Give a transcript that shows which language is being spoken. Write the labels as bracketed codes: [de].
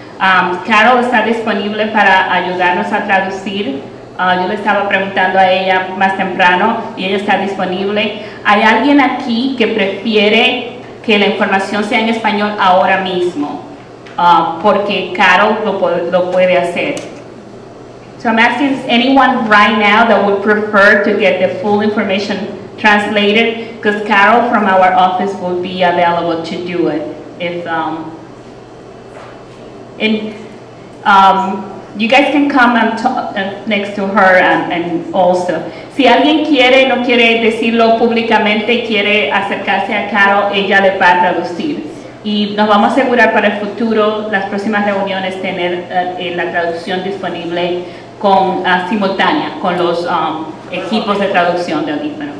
[es] Carol está disponible para ayudarnos a traducir. Yo le estaba preguntando a ella más temprano y ella está disponible. ¿Hay alguien aquí que prefiere que la información sea en español ahora mismo? Porque Carol lo puede hacer. [en] So I'm asking, is anyone right now that would prefer to get the full information translated? Because Carol from our office would be available to do it. If you guys can come and talk next to her and also. [es] Si alguien quiere, no quiere decirlo públicamente, quiere acercarse a Carol, ella le va a traducir. Y nos vamos a asegurar para el futuro, las próximas reuniones, tener la traducción disponible con simultánea con los equipos de traducción del audífono.